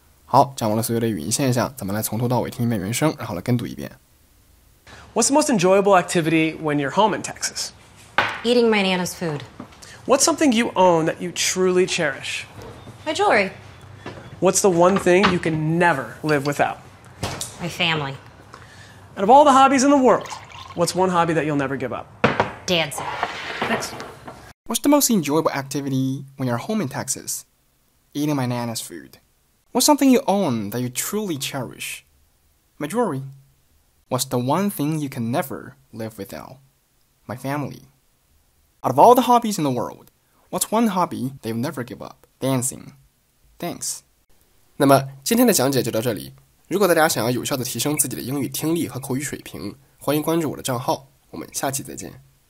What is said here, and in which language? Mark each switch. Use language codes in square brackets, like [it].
[zh] 好，掌握了所有的语音现象，咱们来从头到尾听一遍原声，然后来跟读一遍。 [en] What's the most enjoyable activity when you're home in Texas? Eating my Nana's food. What's something you own that you truly cherish? My jewelry. What's the one thing you can never live without? My family. Out of all the hobbies in the world, what's one hobby that you'll never give up? Dancing. Thanks. What's the most enjoyable activity when you're home in Texas? Eating my nana's food. What's something you own that you truly cherish? My jewelry. What's the one thing you can never live without? My family. Out of all the hobbies in the world, what's one hobby that you'll never give up? Dancing. Thanks. [zh] 那么今天的讲解就到这里。如果大家想要有效地提升自己的英语听力和口语水平，欢迎关注我的账号，我们下期再见。